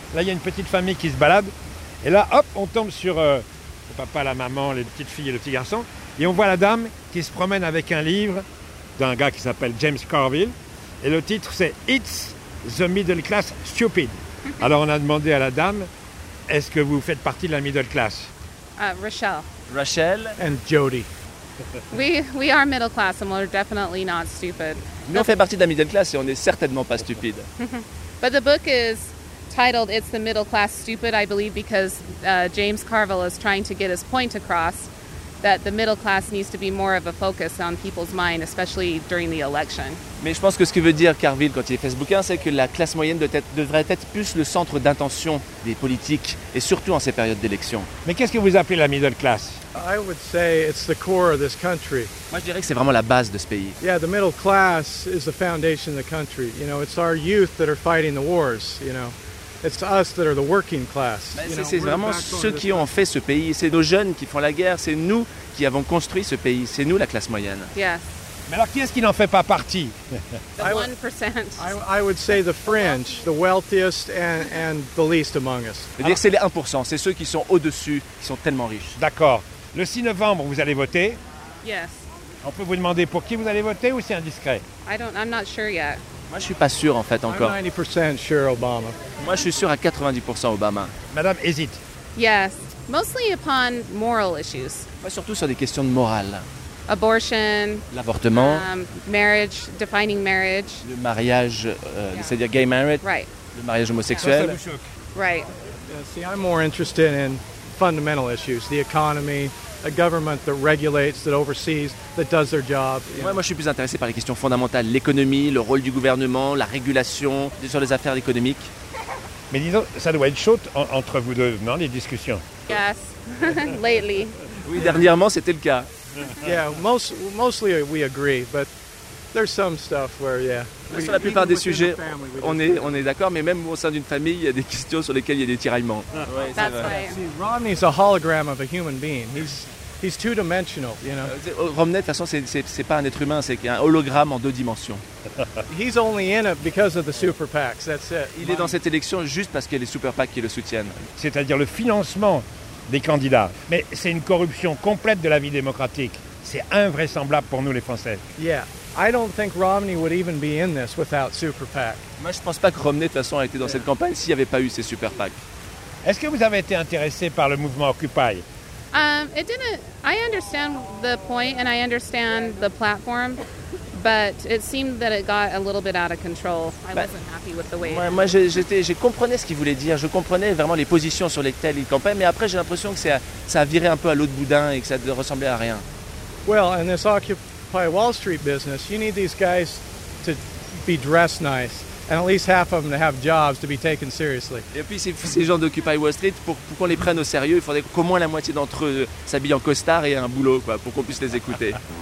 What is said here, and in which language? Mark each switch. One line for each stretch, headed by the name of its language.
French: Là, il y a une petite famille qui se balade. Et là, hop, on tombe sur le papa, la maman, les petites filles et le petit garçon. Et on voit la dame qui se promène avec un livre d'un gars qui s'appelle James Carville. Et le titre, c'est «
English: It's the middle class stupid ».
French: Alors, on a demandé à la dame, « Est-ce que vous faites partie de la middle class ?» Rachel
English: and Jody. We are middle class and we're definitely not stupid.
French: Nous on fait partie de la middle class et on est certainement pas stupide.
English: But the book is titled "It's the Middle Class Stupid," I believe, because James Carville is trying to get his point across that the middle class needs to be more of a focus on people's mind, especially during the election.
French: Mais je pense que ce que veut dire Carville quand il fait ce bouquin, c'est que la classe moyenne devrait être plus le centre d'intention des politiques, et surtout en ces périodes d'élection. Mais qu'est-ce que vous appelez la middle class?
English: I would say it's the core of this country.
French: Moi, je dirais que c'est vraiment la base de ce pays.
English: Yeah, the middle class is the foundation of the country. You know, it's our youth that are fighting the wars. You know, it's us that are the working class.
French: C'est vraiment ceux qui ont fait ce pays. C'est nos jeunes qui font la guerre. C'est nous qui avons construit ce pays. C'est nous la classe moyenne.
English: Yes.
French: Mais alors, qui est-ce qui n'en fait pas partie?
English: The 1%. I would say the fringe, the wealthiest and the least among us.
French: C'est-à-dire que c'est les 1%, c'est ceux qui sont au-dessus, qui sont tellement riches. D'accord. Le 6 novembre, vous allez voter?
English: Yes.
French: On peut vous demander pour qui vous allez voter ou c'est indiscret?
English: I'm not sure yet.
French: Moi, je ne suis pas sûr, en fait, encore.
English: I'm 90% sure Obama.
French: Moi, je suis sûr à 90% Obama. Madame hésite?
English: Yes. Mostly upon moral issues. Moi, surtout sur des questions de morale. Abortion,
French: l'avortement,
English: marriage, defining marriage,
French: le mariage, c'est-à-dire
English: gay marriage, right.
French: Le mariage homosexuel. Ça, ça vous choque.
English: Right. See, I'm more interested in fundamental issues, the economy, a government that regulates, that oversees, that does their job.
French: Moi, je suis plus intéressé par les questions fondamentales, l'économie, le rôle du gouvernement, la régulation sur les affaires économiques. Mais disons, ça doit être chaud entre vous deux, non, les discussions?
English: Yes, lately.
French: Oui, dernièrement, c'était le cas.
English: Yeah, mostly we agree, but there's some stuff where yeah.
French: Sur la plupart des sujets, on est d'accord, mais même au sein d'une famille, il y a des questions sur lesquelles il y a des tiraillements.
English: Ouais, that's right. See, Romney's a hologram of a human being. He's two-dimensional, you know.
French: Romney, de toute façon, c'est pas un être humain, c'est un hologramme en deux dimensions.
English: He's only in it because of the super PACs. That's it.
French: Il est dans cette élection juste parce qu'il y a les super PACs qui le soutiennent. C'est-à-dire le financement des candidats. Mais c'est une corruption complète de la vie démocratique. C'est invraisemblable pour nous, les Français.
English: Yeah. I don't think Romney would even be in this without Super PAC.
French: Moi, je pense pas que Romney, de toute façon, a été dans cette campagne s'il n'y avait pas eu ces Super PAC. Est-ce que vous avez été intéressé par le mouvement Occupy?
English: It didn't... I understand the point and I understand the platform, but it seemed that it got a little bit out of control. I wasn't happy with the way.
French: Moi j'ai compris ce qu'il voulait dire. Je comprenais vraiment les positions sur lesquelles il campait, mais après j'ai l'impression que ça a viré un peu à l'autre boudin et que ça ressemblait à rien.
English: Well, and this Occupy Wall Street business, you need these guys to be dressed nice. And at least half of them to have jobs to be taken seriously.
French: Et puis ces gens d'Occupy Wall Street, pour qu'on les prenne au sérieux, il faudrait qu'au moins la moitié d'entre eux s'habille en costard et un boulot, quoi, pour qu'on puisse les écouter.